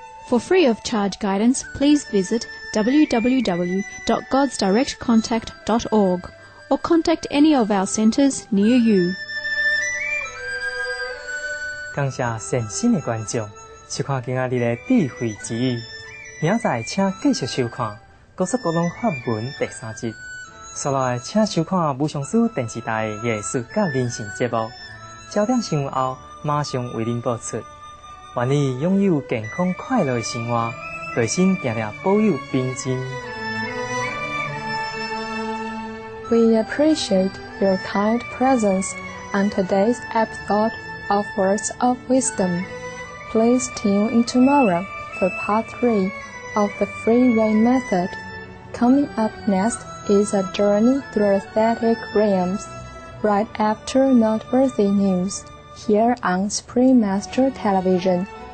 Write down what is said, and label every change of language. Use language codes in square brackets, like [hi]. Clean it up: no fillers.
[en] For free of charge guidance, please visit www.godsdirectcontact.org or contact any of our centers near you. [zh] 感谢善心的观众收看今天的智慧之语，明仔请继续收看高速公路法门第三集，接下来请收看无上师电视台的艺术甲人生节目，焦点新闻后马上为您播出。愿你拥有健康快乐的生活，内心常常保有平静。 [en] We appreciate your kind presence and today's episode of Words of Wisdom. Please tune in tomorrow for part 3 of the Freeway Method. Coming up next is a journey through aesthetic realms, right after noteworthy news, here on Supreme Master Television.